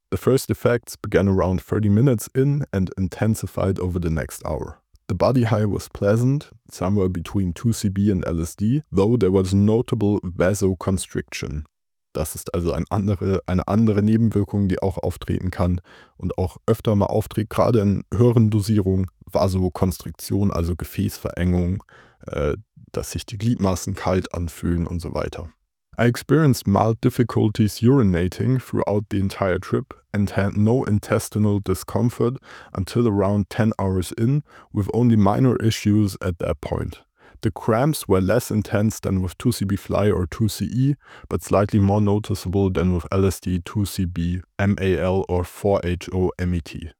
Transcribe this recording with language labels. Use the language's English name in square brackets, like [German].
[English] The first effects began around 30 minutes in and intensified over the next hour. The body high was pleasant, somewhere between 2CB and LSD, though there was notable vasoconstriction. [German] Das ist also eine andere Nebenwirkung, die auch auftreten kann und auch öfter mal auftritt, gerade in höheren Dosierungen, Vasokonstriktion, also Gefäßverengung, dass sich die Gliedmaßen kalt anfühlen und so weiter. [English] I experienced mild difficulties urinating throughout the entire trip and had no intestinal discomfort until around 10 hours in, with only minor issues at that point. The cramps were less intense than with 2CB fly or 2CE, but slightly more noticeable than with LSD, 2CB, MAL or 4HO-MET.